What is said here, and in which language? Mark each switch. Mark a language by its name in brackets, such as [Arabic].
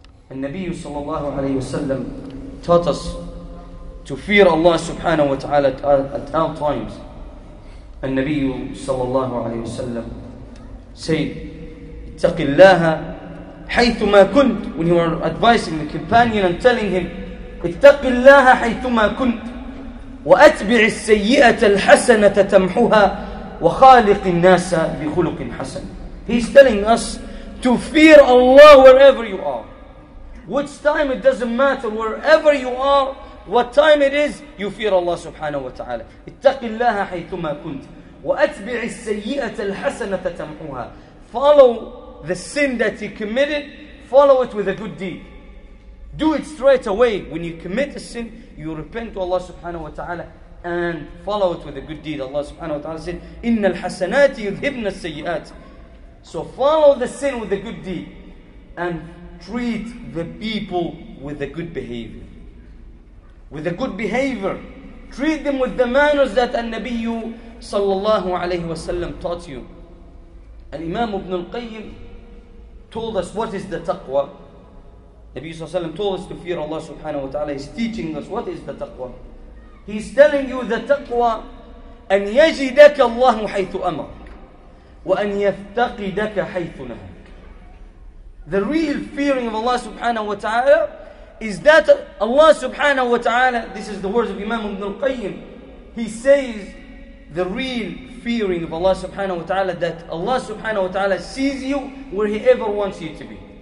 [English] And Nabi sallallahu alayhi wa sallam taught us to fear Allah subhanahu wa ta'ala at all times. And Nabi sallallahu alayhi wa sallam said, [Arabic] اتَّقِ اللَّهَ حَيْثُمَا كُنْتْ. [English] When you are advising the companion and telling him, [Arabic] اتَّقِ اللَّهَ حَيْثُمَا كُنْتْ وَأَتْبِعِ السَّيِّئَةَ الْحَسَنَةَ تَمْحُهَا وَخَالِقِ النَّاسَ بِخُلُقٍ حَسَنٍ. [English] He's telling us to fear Allah wherever you are. Which time, it doesn't matter, wherever you are, what time it is, you fear Allah subhanahu wa ta'ala. [Arabic] اتَّقِ اللَّهَ حَيْثُمَا كُنْتْ وَأَتْبِعِ السَّيِّئَةَ الْحَسَنَةَ تَمْحُهَا. [English] Follow the sin that he committed, follow it with a good deed. Do it straight away. When you commit a sin, you repent to Allah subhanahu wa ta'ala and follow it with a good deed. Allah subhanahu wa ta'ala said, [Arabic] إِنَّ الْحَسَنَاتِ يُذْهِبْنَ السَّيِّئَاتِ. [English] So follow the sin with a good deed and treat the people with a good behavior. With a good behavior. Treat them with the manners that النبي صلى الله عليه وسلم taught you. الإمام ابن القيم told us what is the taqwa. النبي صلى الله عليه وسلم told us to fear Allah subhanahu wa ta'ala. He's teaching us what is the taqwa. He's telling you the taqwa [Arabic] أن يجدك الله حيث أمرك وأن يفتقدك حيث نهاك. [English] The real fearing of Allah subhanahu wa ta'ala is that Allah subhanahu wa ta'ala, this is the words of Imam Ibn al-Qayyim, he says the real fearing of Allah subhanahu wa ta'ala, that Allah subhanahu wa ta'ala sees you where He ever wants you to be.